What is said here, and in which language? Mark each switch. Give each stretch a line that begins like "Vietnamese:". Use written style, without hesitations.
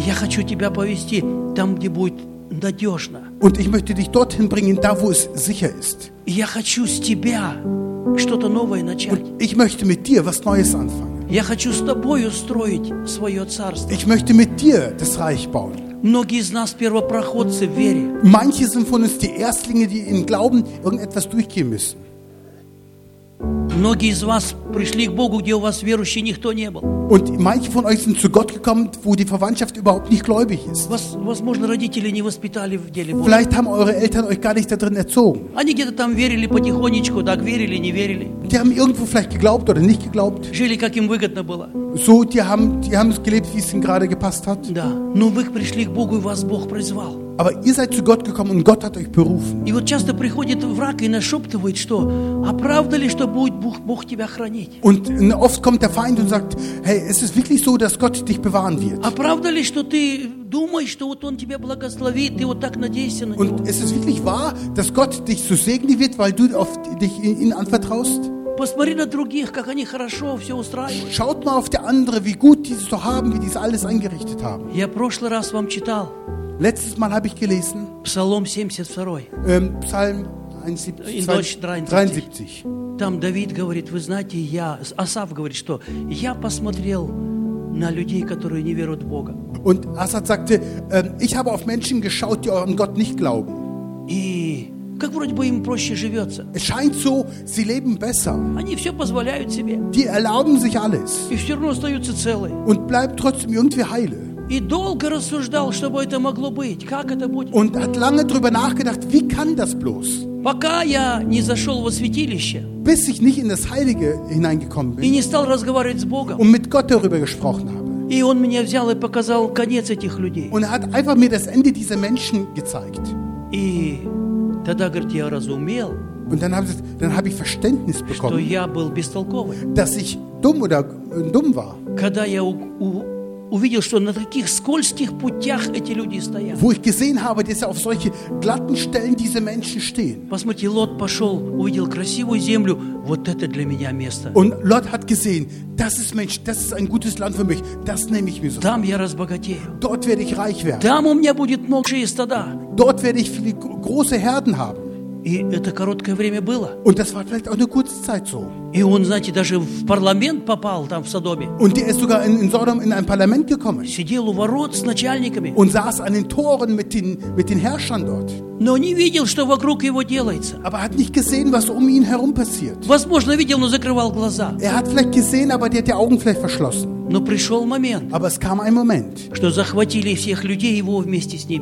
Russian: Я хочу тебя повести там, где будет надежно.
German: Und ich möchte dich dorthin bringen, da wo es sicher ist.
Russian: Я хочу с тебя что-то новое начать.
German: Und ich möchte mit dir was Neues anfangen.
Russian: Я хочу с тобой устроить свое царство.
German: Ich möchte mit dir das Reich bauen.
Russian: Многие из нас первопроходцы в вере.
German: Manche sind von uns die Erstlinge, die im Glauben irgendetwas durchgehen müssen.
Russian: Многие из вас пришли к Богу, где у вас верующий никто не был.
German: Und manche von euch sind zu Gott gekommen, wo die Verwandtschaft überhaupt nicht gläubig ist.
Russian: Возможно, родители не воспитали в деле Божьем.
German: Vielleicht haben eure Eltern euch gar nicht darin erzogen.
Russian: Они где-то там верили потихонечку, так верили, не верили.
German: Die haben irgendwo vielleicht geglaubt oder nicht geglaubt.
Russian: Жили, как им выгодно было.
German: So, die haben es gelebt, wie es ihnen gerade gepasst hat.
Russian: Да. Но вы пришли к Богу, и вас Бог призвал.
German: Aber ihr seid zu Gott gekommen und Gott hat euch berufen.
Russian: И вот часто приходит враг и нашептывает, что оправдан ли, что будет Бог тебя хранить?
German: Und oft kommt der Feind und sagt, hey, ist es wirklich so, dass Gott dich bewahren wird?
Russian: Оправдан ли, что ты думаешь, что вот он тебя благословит, ты вот так надеешься на него?
German: Und ist es wirklich wahr, dass Gott dich so segnen wird, weil du oft dich ihm anvertraust?
Russian: Посмотри на других, как они хорошо все устраивают.
German: Schaut mal auf die andere, wie gut die es so haben, wie die es alles eingerichtet haben.
Russian: Я прошлый раз вам читал.
German: Letztes Mal habe ich gelesen. Psalm 72. Psalm 73.
Russian: Там Давид говорит, вы знаете, я, Асав говорит, что я посмотрел на людей, которые не веруют в Бога.
German: Und Asaf sagte, ich habe auf Menschen geschaut, die an Gott nicht glauben.
Russian: И как вроде бы им проще живется.
German: Es scheint so, sie leben besser.
Russian: Они все позволяют себе.
German: Die erlauben sich alles.
Russian: И все равно остаются целы.
German: Und bleibt trotzdem irgendwie heile.
Russian: И долго рассуждал, чтобы это могло быть. Как это будет?
German: Und hat lange drüber nachgedacht, wie kann das bloß?
Russian: Пока я не зашел во святилище.
German: Bis ich nicht in das Heilige hineingekommen bin.
Russian: И не стал разговаривать с Богом.
German: Und mit Gott darüber gesprochen habe.
Russian: И он меня взял и показал конец этих людей.
German: Und hat einfach mir das Ende dieser Menschen gezeigt.
Russian: И тогда, говорит, я разумел.
German: Und dann habe ich Verständnis bekommen.
Russian: Что я был бестолковый.
German: Dass ich dumm oder dumm war.
Russian: Когда я увидел, что на таких скользких путях эти люди стоят.
German: Wo ich gesehen habe, dass auf solche glatten Stellen diese Menschen stehen.
Russian: Посмотрите, Лот пошел, увидел красивую землю. Вот это для меня место.
German: Und Lot hat gesehen, das ist Mensch, das ist ein gutes Land für mich. Das nehme ich mir so.
Russian: Там я разбогатею.
German: Dort werde ich reich werden.
Russian: Там у меня будет много стада.
German: Dort werde ich viele große Herden haben.
Russian: И это короткое время было.
German: Und das war vielleicht auch eine kurze Zeit so.
Russian: И он, знаете, даже в парламент попал там в Содоме.
German: Und er ist sogar in Sodom in ein Parlament gekommen.
Russian: Сидел у ворот с начальниками.
German: Und saß an den Toren mit den Herrschern dort.
Russian: Но не видел, что вокруг его делается.
German: Aber hat nicht gesehen, was um ihn herum passiert.
Russian: Возможно, видел, но закрывал глаза.
German: Er hat vielleicht gesehen, aber der hat die Augen vielleicht verschlossen.
Russian: Но пришел момент.
German: Aber es kam ein Moment.
Russian: Что захватили всех людей его вместе с ним.